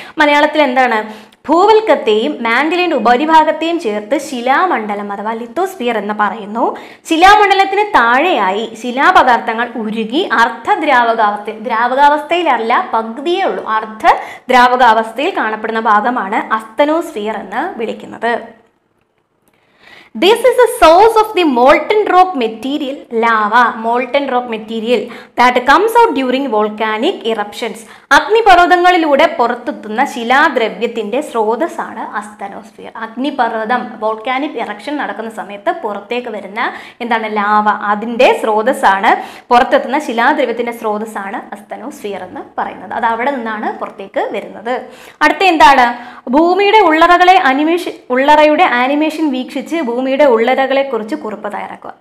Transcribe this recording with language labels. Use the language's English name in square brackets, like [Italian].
[Malayalam] മലയാളത്തിൽ എന്താണ് ഭൂവൽക്കത്തെയും മാന്റിലിൻ്റെ ഉപരിഭാഗത്തെയും ചേർത്ത് ശിലാമണ്ഡലം അഥവാ ലിത്തോസ്ഫിയർ എന്ന് പറയുന്നു. ശിലാമണ്ഡലത്തിന് താഴെയായി ശിലാപദാർത്ഥങ്ങൾ ഉരുകി അർദ്ധദ്രാവകാവസ്ഥ ദ്രാവകാവസ്ഥയിലല്ല പകുതിയേ ഉള്ളൂ അർദ്ധ ദ്രാവകാവസ്ഥയിൽ കാണപ്പെടുന്ന ഭാഗമാണ് അസ്തനോസ്ഫിയർ എന്ന് വിളിക്കുന്നത്. [English] This is the source of the molten rock material, lava, molten rock material that comes out during volcanic eruptions. [Malayalam] അഗ്നിപർവ്വതങ്ങളിലൂടെ പുറത്തെത്തുന്ന ശിലാദ്രവ്യത്തിൻ്റെ സ്രോതസ്സാണ് അസ്തനോസ്ഫിയർ. അഗ്നിപർവ്വതം വോൾക്കാനിക് ഇറക്ഷൻ നടക്കുന്ന സമയത്ത് പുറത്തേക്ക് വരുന്ന എന്താണ് ലാവ അതിൻ്റെ സ്രോതസ്സാണ് പുറത്തെത്തുന്ന ശിലാദ്രവ്യത്തിൻ്റെ സ്രോതസ്സാണ് അസ്തനോസ്ഫിയർ എന്ന് പറയുന്നത്. അത് അവിടെ നിന്നാണ് പുറത്തേക്ക് വരുന്നത്. അടുത്ത എന്താണ് ഭൂമിയുടെ ഉള്ളറകളെ ഉള്ളറയുടെ ആനിമേഷൻ വീക്ഷിച്ച് ഭൂമിയുടെ ഉള്ളറകളെ കുറിച്ച് കുറിപ്പ് തയ്യാറാക്കുക.